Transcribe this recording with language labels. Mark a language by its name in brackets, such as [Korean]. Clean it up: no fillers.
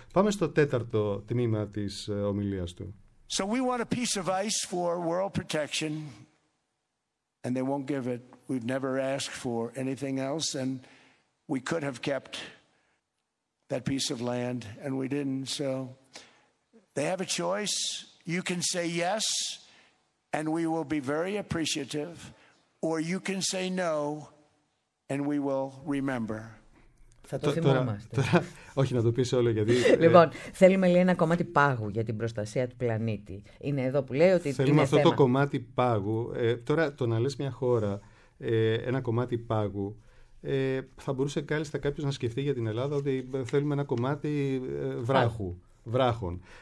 [Greek] Πάμε στο τέταρτο τμήμα της ομιλίας του. [English] So we want a piece of ice for world protection and they won't give it. We've never asked for anything else and We could have kept that piece of land, and we didn't. So they have a choice. You can say yes, and we will be very appreciative, or you can say no, and we will remember. [Greek] Θα το θυμόμαστε. Τώρα, όχι να το πεις όλο γιατί... Λοιπόν, θέλουμε λέει ένα κομμάτι πάγου για την προστασία του πλανήτη. Είναι εδώ που λέει ότι θέλουμε είναι αυτό θέμα. Το κομμάτι πάγου. Τώρα το να λες μια χώρα, ένα κομμάτι πάγου, θα μπορούσε κάλλιστα κάποιος να σκεφτεί για την Ελλάδα ότι θέλουμε ένα κομμάτι βράχου. Βράχων.